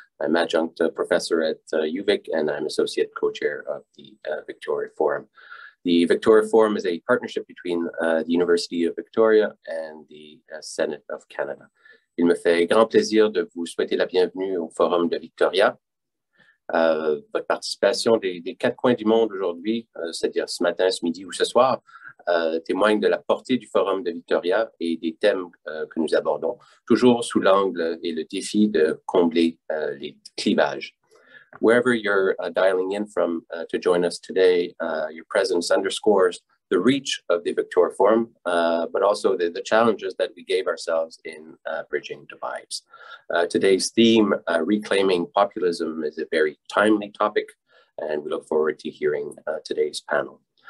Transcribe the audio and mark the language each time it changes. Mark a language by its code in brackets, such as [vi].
[en] I'm adjunct professor at UVic, and I'm associate co-chair of the Victoria Forum. The Victoria Forum is a partnership between the University of Victoria and the Senate of Canada. [fr] Il me fait grand plaisir de vous souhaiter la bienvenue au Forum de Victoria. Votre participation des quatre coins du monde aujourd'hui, c'est-à-dire ce matin, ce midi ou ce soir, témoigne de la portée du Forum de Victoria et des thèmes que nous abordons, toujours sous l'angle et le défi de combler les clivages. [en] Wherever you're dialing in from to join us today, your presence underscores the reach of the Victoria Forum, but also the challenges that we gave ourselves in bridging divides. Today's theme, Reclaiming Populism, is a very timely topic, and we look forward to hearing today's panel.